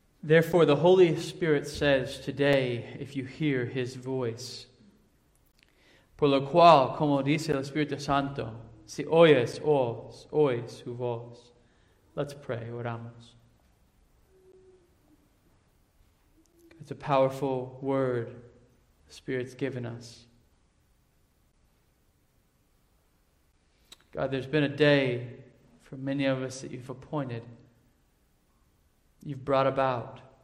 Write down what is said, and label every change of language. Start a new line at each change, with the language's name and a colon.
English: Therefore, the Holy Spirit says today, if you hear His voice.
Spanish: Por lo cual, como dice el Espíritu Santo, si oyes, oyes su voz.
English: Let's pray, oramos. It's a powerful word the Spirit's given us. God, there's been a day for many of us that You've appointed. You've brought about.